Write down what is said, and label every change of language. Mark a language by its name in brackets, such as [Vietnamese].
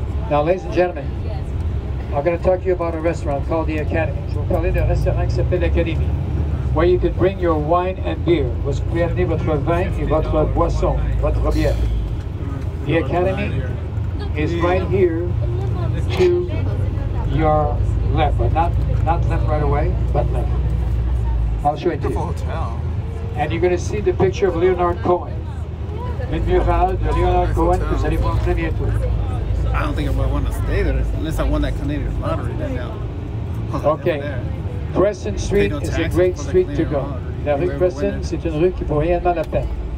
[English] Now, ladies and gentlemen, I'm going to talk to you about a restaurant called the Academy. [French] Je vais parler d'un restaurant qui s'appelle l'Academy, [English] where you can bring your wine and beer. [French] Vous pouvez amener votre vin et votre boisson, votre bière. [English] The Academy is right here to your left. Not left right away, but left. I'll show it to you. And you're going to see the picture of Leonard Cohen. [French] Le mural de Leonard Cohen que vous allez voir très bientôt. [English] I don't think I want to stay there unless I won that Canadian lottery right now. Okay. Crescent Street is a great street to go. [French] La rue Crescent, c'est une rue qui vaut réellement la peine.